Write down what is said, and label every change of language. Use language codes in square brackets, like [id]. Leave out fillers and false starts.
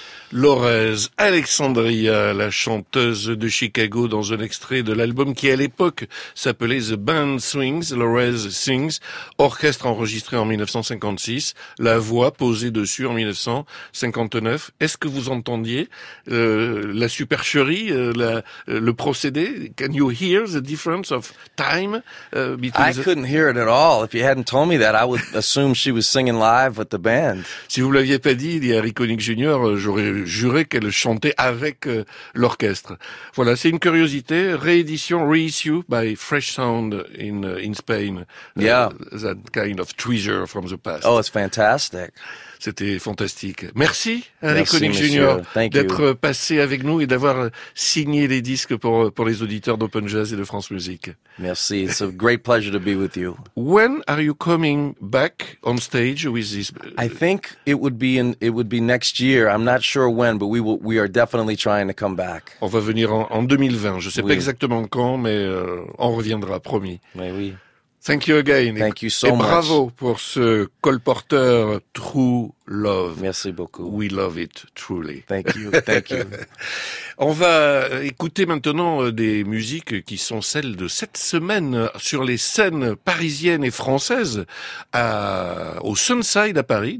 [fr] Lorez Alexandria, la chanteuse de Chicago, dans un extrait de l'album qui, à l'époque, s'appelait The Band Swings, Lorez Sings, orchestre enregistré en 1956, la voix posée dessus en 1959. Est-ce que vous entendiez la supercherie, le procédé? [en] Can you hear the difference of time? I couldn't hear it at all. If you hadn't told me that, I would assume she was singing live with the band. [fr] Si vous ne l'aviez pas dit, dit Harry Connick Jr., j'aurais juré qu'elle chantait avec l'orchestre. Voilà, c'est une curiosité. Réédition, [en] reissue by Fresh Sound in Spain. Yeah. That kind of treasure from the past. Oh, it's fantastic. [fr] C'était fantastique. Merci, Harry Connick Jr., d'être passé avec nous et d'avoir signé les disques pour les auditeurs d'Open Jazz et de France Musique. [en] Merci, it's a great pleasure to be with you. When are you coming back on stage with this? I think it would be next year. I'm not sure when, but we are definitely trying to come back. [fr] On va venir en 2020. Je ne sais pas exactement quand, mais on reviendra, promis. Mais oui. [en] Thank you again. Thank you so [fr] much. Et bravo pour ce colporteur True Love. Merci beaucoup. [en] We love it truly. Thank you. Thank you. [fr] On va écouter maintenant des musiques qui sont celles de cette semaine sur les scènes parisiennes et françaises au Sunside à Paris.